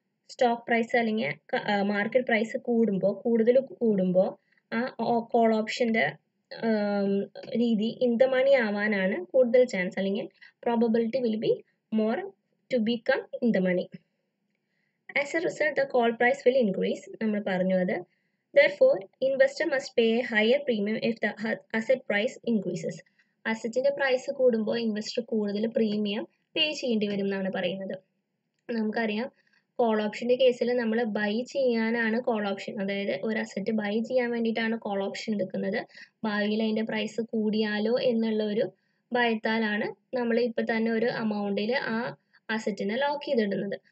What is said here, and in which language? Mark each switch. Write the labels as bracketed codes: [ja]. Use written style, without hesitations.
[ml] Stock price അല്ലെങ്കിൽ market price കൂടുമ്പോൾ, കൂടുതൽ കൂടുമ്പോൾ ആ കോൾ ഓപ്ഷൻ്റെ രീതി ഇൻ ദ മണി ആവാനാണ് കൂടുതൽ ചാൻസ്, അല്ലെങ്കിൽ [en] Probability will be more to become in the money. As a result the call price will increase. [ml] നമ്മൾ പറഞ്ഞു അത്, [en] therefore investor must pay a higher premium if the asset price increases. [ml] അസറ്റിൻ്റെ price കൂടുമ്പോൾ investor കൂടുതൽ premium പേ ചെയ്യേണ്ടി വരും എന്നാണ് പറയുന്നത്. നമുക്കറിയാം കോൾ ഓപ്ഷൻ്റെ കേസിൽ നമ്മൾ ബൈ ചെയ്യാനാണ് കോൾ ഓപ്ഷൻ, അതായത് ഒരു അസറ്റ് ബൈ ചെയ്യാൻ വേണ്ടിയിട്ടാണ് കോൾ ഓപ്ഷൻ എടുക്കുന്നത്. ഭാവിയിൽ അതിൻ്റെ പ്രൈസ് കൂടിയാലോ എന്നുള്ള ഒരു ഭയത്താലാണ് നമ്മൾ ഇപ്പം തന്നെ ഒരു അമൗണ്ടിൽ ആ അസറ്റിനെ ലോക്ക് ചെയ്തിടുന്നത്.